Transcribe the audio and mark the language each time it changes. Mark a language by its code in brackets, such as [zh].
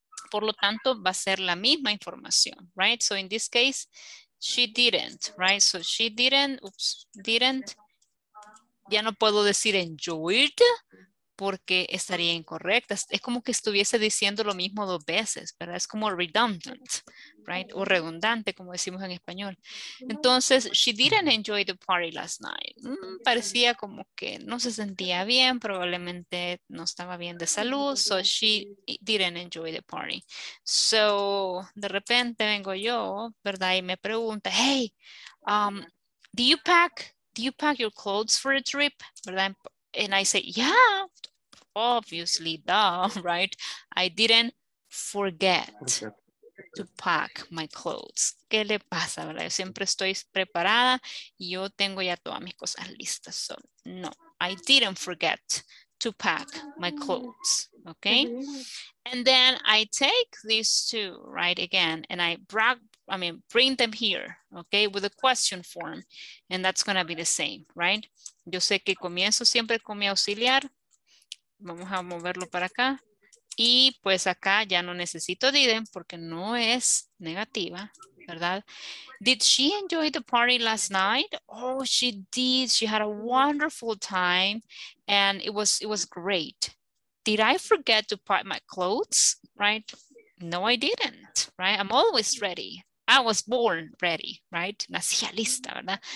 [es] Por lo tanto, va a ser la misma información. [en] Right? So in this case, she didn't, right? So she didn't, oops, didn't. [es] Ya no puedo decir enjoyed porque estaría incorrecta. Es como que estuviese diciendo lo mismo dos veces, ¿verdad? Es como redundant, right? O redundante, como decimos en español. [en] Entonces, she didn't enjoy the party last night. Parecía como que no se sentía bien, probablemente no estaba bien de salud. So she didn't enjoy the party. So, [es] de repente vengo yo, ¿verdad? Y me pregunta, [en] hey, do you pack your clothes for a trip? ¿Verdad? And I say, yeah, obviously, duh, right? I didn't forget to pack my clothes. [es] ¿Qué le pasa, verdad? Yo siempre estoy preparada y yo tengo ya todas mis cosas listas. [en] So, no, I didn't forget to pack my clothes, okay? And then I take these two, right, again, and I bring them here, okay, with a question form, and that's going to be the same, right? [es] Yo sé que comienzo siempre con mi auxiliar. Vamos a moverlo para acá. Y pues acá ya no necesito didn't porque no es negativa, ¿verdad? [en] Did she enjoy the party last night? Oh, she did. She had a wonderful time and it was great. Did I forget to pack my clothes? Right? No, I didn't. Right? I'm always ready. I was born ready, right? [es] Nacía lista, ¿verdad?